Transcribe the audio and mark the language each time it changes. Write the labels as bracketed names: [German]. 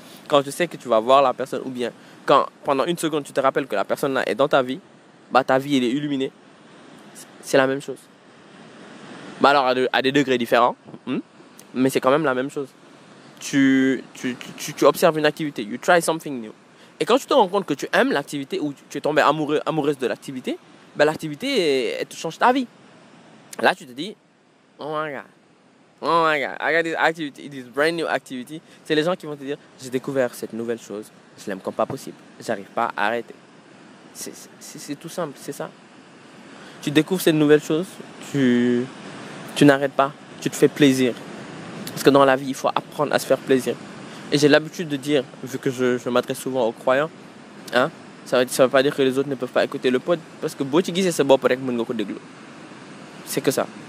[French] Quand tu sais que tu vas voir la personne, ou bien quand pendant une seconde tu te rappelles que la personne là est dans ta vie, ta vie elle est illuminée. C'est la même chose. À des degrés différents, mais c'est quand même la même chose. Tu observes une activité, [English] you try something new. [French] Et quand tu te rends compte que tu aimes l'activité, ou tu es tombé amoureuse de l'activité, l'activité elle te change ta vie. Là, tu te dis, [English] oh my god, I got this activity, this brand new activity. [French] C'est les gens qui vont te dire, j'ai découvert cette nouvelle chose, je l'aime comme pas possible, j'arrive pas à arrêter. C'est tout simple, c'est ça. Tu découvres cette nouvelle chose, tu n'arrêtes pas, tu te fais plaisir. Parce que dans la vie, il faut apprendre à se faire plaisir. Et j'ai l'habitude de dire, vu que je m'adresse souvent aux croyants, hein, ça veut pas dire que les autres ne peuvent pas écouter le pod, parce que Botigui, c'est ce bon pour être de glou. C'est que ça.